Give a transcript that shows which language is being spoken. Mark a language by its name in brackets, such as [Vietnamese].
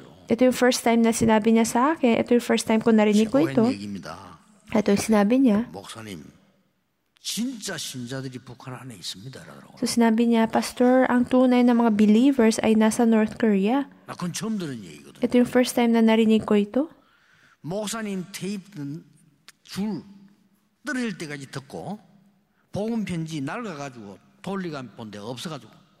[Filipino] ito yung first time na sinabi niya sa akin, ito yung first time ko narinig ko ito. Ito yung sinabi niya. [Korean] Moksanim. 진짜 신자들이 북한 안에 있습니다라고. [Filipino] So sinabi niya, Pastor, ang tunay ng mga believers ay nasa North Korea. [Korean] 나 그건 처음 들은 얘기거든. [Filipino] Ito yung first time na narinig ko ito. [Korean] 목사님 테이프 줄 떨어질 때까지 듣고 복음 편지 날아가가지고 돌리간 본데 없어가지고.